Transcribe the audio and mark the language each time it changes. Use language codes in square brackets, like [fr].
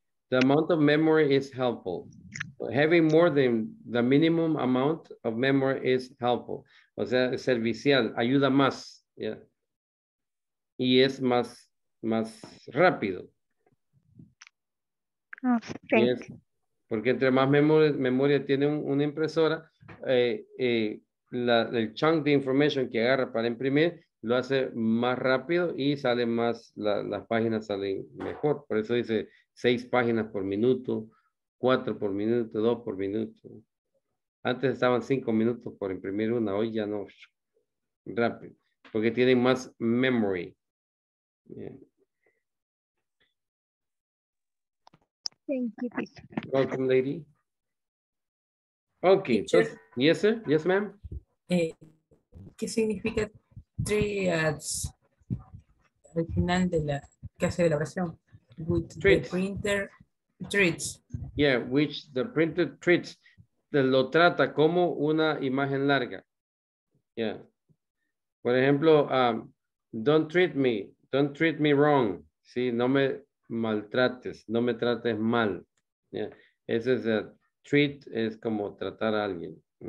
[en] The amount of memory is helpful. Having more than the minimum amount of memory is helpful. [es] O sea, servicial, ayuda más. Yeah. Y es más rápido. [en] Oh, thank yes. you. [es] Porque entre más memoria tiene una impresora, el chunk de information que agarra para imprimir lo hace más rápido y sale más, las páginas salen mejor. Por eso dice 6 páginas por minuto, 4 por minuto, 2 por minuto. Antes estaban 5 minutos por imprimir una, hoy ya no. Rápido. Porque tienen más memory. [en] Yeah. Thank you, teacher. Welcome, lady. Okay. So, yes, sir. Yes, ma'am. [es] ¿Qué significa triads al final de la clase de la oración? [en] With treats. The printer treats. Yeah, which the printer treats. [es] Lo trata como una imagen larga. [en] Yeah. [es] Por ejemplo, [en] don't treat me. Don't treat me wrong. [es] Sí, no me maltrates. No me trates mal. Yeah. Ese es el treat, es como tratar a alguien.